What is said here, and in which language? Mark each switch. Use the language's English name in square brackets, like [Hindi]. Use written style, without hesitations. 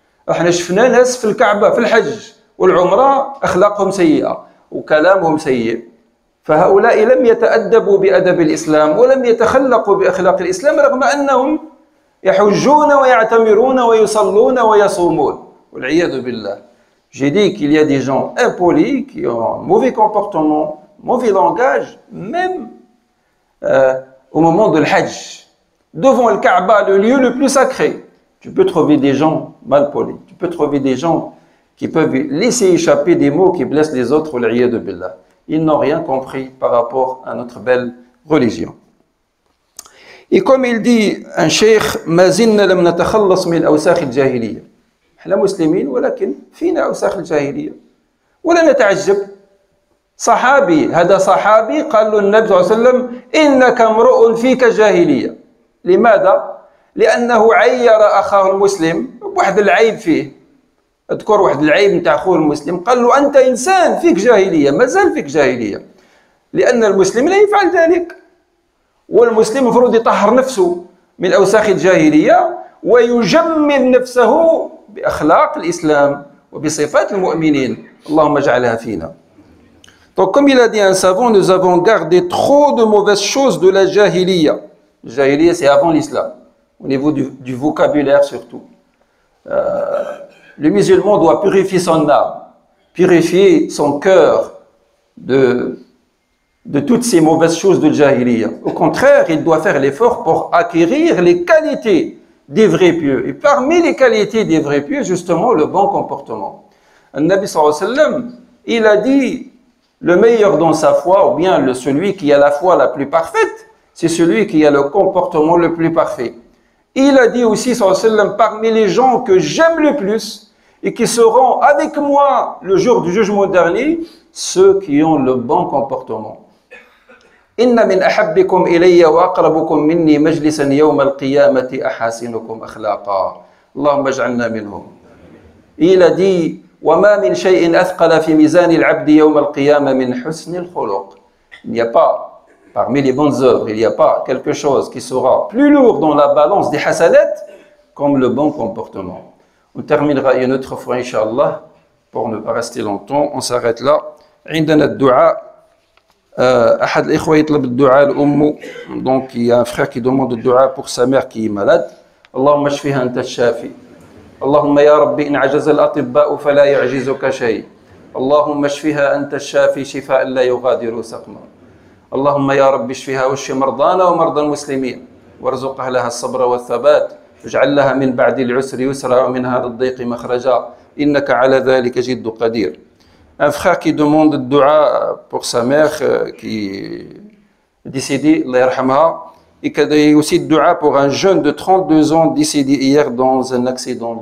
[Arabic] احنا شفنا ناس في الكعبة في الحج والعمرة أخلاقهم سيئة وكلامهم سيء، فهؤلاء لم يتأدبوا بأدب الإسلام ولم يتخلقوا بأخلاق الإسلام رغم أنهم يحجون ويعتمرون ويصلون ويصومون، والعياذ بالله. [French] J'ai dit qu'il y a des gens impolis qui ont un mauvais comportement, mauvais langage, même au moment de l'Hajj, devant le Kaaba, le lieu le plus sacré. Tu peux trouver des gens mal polis, tu peux trouver des gens qui peuvent laisser échapper des mots qui blessent les autres, l'iyadu billah. Ils n'ont rien compris par rapport à notre belle religion. Et comme il dit un cheikh, [Arabic] « Ma zinna lam natakhallas min awsakh al-jahiliya » احنا مسلمين ولكن فينا اوساخ الجاهليه ولا نتعجب. صحابي، هذا صحابي قال له النبي صلى الله عليه وسلم انك امرؤ فيك جاهليه. لماذا؟ لانه عير اخاه المسلم بواحد العيب فيه. اذكر واحد العيب نتاع اخوه المسلم، قال له انت انسان فيك جاهليه، مازال فيك جاهليه، لان المسلم لا يفعل ذلك. والمسلم المفروض يطهر نفسه من اوساخ الجاهليه ويجمل نفسه بأخلاق الإسلام وبصفات المؤمنين. اللهم اجعلها فينا. [French] Donc comme il a dit un savant, nous avons gardé trop de mauvaises choses de la jahiliya. Jahiliya, c'est avant l'islam, au niveau du vocabulaire surtout. Le musulman doit purifier son âme, purifier son cœur de toutes ces mauvaises choses de jahiliya. Au contraire, il doit faire l'effort pour acquérir les qualités des vrais pieux. Et parmi les qualités des vrais pieux, justement, le bon comportement. Le Nabi sallallahu alayhi wa sallam, il a dit, le meilleur dans sa foi, ou bien celui qui a la foi la plus parfaite, c'est celui qui a le comportement le plus parfait. Il a dit aussi, sallallahu alayhi wa sallam, parmi les gens que j'aime le plus, et qui seront avec moi le jour du jugement dernier, ceux qui ont le bon comportement. [Arabic] إن من أحبكم إلي وأقربكم مني مجلسا يوم القيامة أحاسنكم أخلاقا. اللهم اجعلنا منهم. إلى دي وما من شيء أثقل في ميزان العبد يوم القيامة من حسن الخلق. [French] Il n'y a pas parmi les bonnes œuvres, il n'y a pas quelque chose qui sera plus lourd dans la balance des hasanat comme le bon comportement. On terminera une autre fois, inshallah, pour ne pas rester longtemps. On s'arrête là. [Arabic] عندنا الدعاء. أحد الإخوة يطلب الدعاء لأمه، [French] دونك يا فخير كي دوموند الدعاء بوغ سا مير كي مالاد. [Arabic] اللهم اشفيها أنت الشافي. اللهم يا ربي إن عجز الأطباء فلا يعجزك شيء. اللهم اشفيها أنت الشافي شفاء لا يغادر سقما. اللهم يا ربي اشفيها واشفي مرضانا ومرضى المسلمين، وارزق أهلها الصبر والثبات، واجعل لها من بعد العسر يسرا ومن هذا الضيق مخرجا، إنك على ذلك جد قدير. [French] Un frère qui demande le dua pour sa mère qui est décédée, Allah yarhamha, et qui a aussi le dua pour un jeune de 32 ans décédé hier dans un accident.